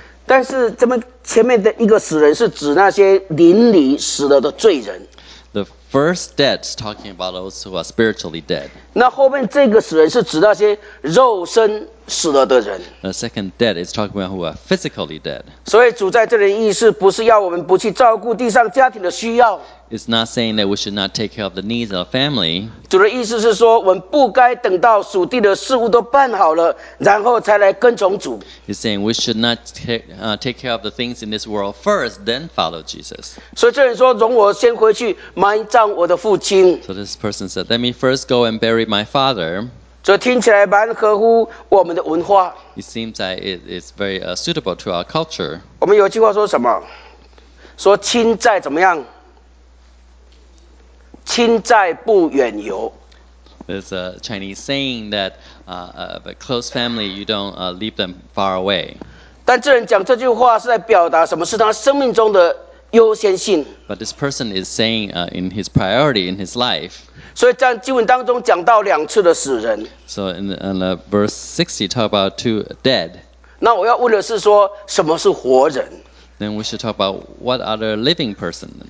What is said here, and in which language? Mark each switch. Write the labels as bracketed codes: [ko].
[zh] 但是这么前面的一个死人是指那些灵里死了的罪人。 [en] The first dead is talking about those who are spiritually dead. [zh] 那后面这个死人是指那些肉身死了的人。 [en] The second dead is talking about who are physically dead. [zh] 所以主在这里的意思不是要我们不去照顾地上家庭的需要。 [en] It's not saying that we should not take care of the needs of family. [zh] 主的意思是说，我们不该等到属地的事物都办好了，然后才来跟从主。 [en] He's saying we should not take care of the things in this world first, then follow Jesus. [zh] 所以这人说，容我先回去埋葬我的父亲。 [en] So this person said, let me first go and bury my father. [zh] 所以听起来蛮合乎我们的文化。 [en] It seems that it is very suitable to our culture. [zh] 我们有句话说什么？说亲在怎么样？亲在不远游。 [en] There's a Chinese saying that a close family, you don't leave them far away. [zh] 但这人讲这句话是在表达什么？是他生命中的优先性。 [en] But this person is saying in his priority in his life. [zh] 所以在经文当中讲到两次的死人。 [en] So in the verse 60, talk about two dead. [zh] 那我要问的是说什么是活人？ [en] Then we should talk about what are the living person.